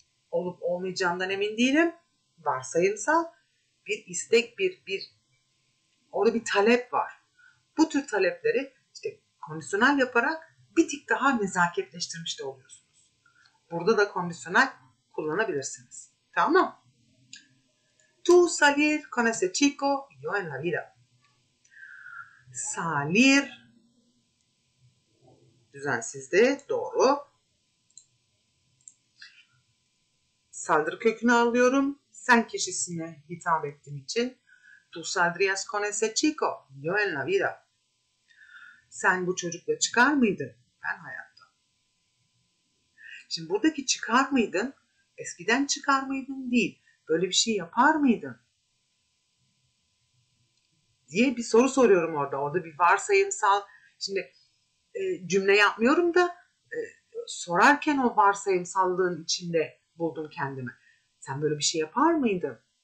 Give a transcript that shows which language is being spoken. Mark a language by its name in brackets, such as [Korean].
[Turkish] Olup olmayacağından emin değilim. Varsayımsal bir istek, orada bir talep var. Bu tür talepleri işte kondisyonel yaparak bir tık daha nezaketleştirmiş de oluyorsunuz. Burada da kondisyonel kullanabilirsiniz. Tamam mı? [Spanish] Tú salir con ese chico, yo en la vida. [Turkish] Salir düzensizdi, doğru. Saldır kökünü alıyorum. Sen kişisine hitap ettiğim için. [Spanish] Tú saldrías con ese chico, yo en la vida. [Turkish] Sen bu çocukla çıkar mıydın? Ben hayatta. Şimdi buradaki çıkar mıydın? Eskiden çıkar mıydın? Değil. Böyle bir şey yapar mıydın? Diye bir soru soruyorum orada. Orada bir varsayımsal. Şimdi cümle yapmıyorum da sorarken o varsayımsallığın içinde buldum kendimi. Sen böyle bir şey yapar mıydın?